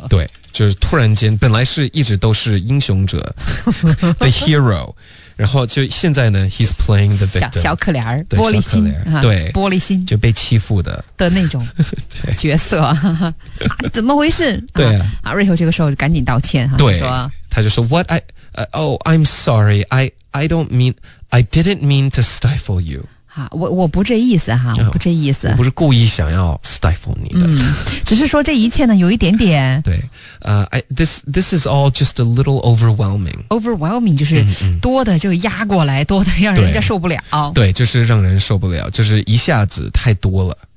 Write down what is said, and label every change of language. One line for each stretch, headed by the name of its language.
Chinese: Okay. 对，就是突然间，本来是一直都是英雄者，the hero， 然后就现在呢 ，
English: he's playing the victim，
Chinese: 小可怜，玻璃心，对，玻璃心，就被欺负的那种角色，怎么回事？对啊，瑞秋这个时候就赶紧道歉哈，对，他就说
English: What I'm sorry I didn't mean to stifle you。
Chinese: 好，我不这意思哈，我不这意思，我不是故意想要 stifle 你的，只是说这一切呢有一点点。
English: 对，this is all just a little overwhelming。
Chinese: Overwhelming 就是多的就压过来，多的让人家受不了。对，就是让人受不了，就是一下子太多了。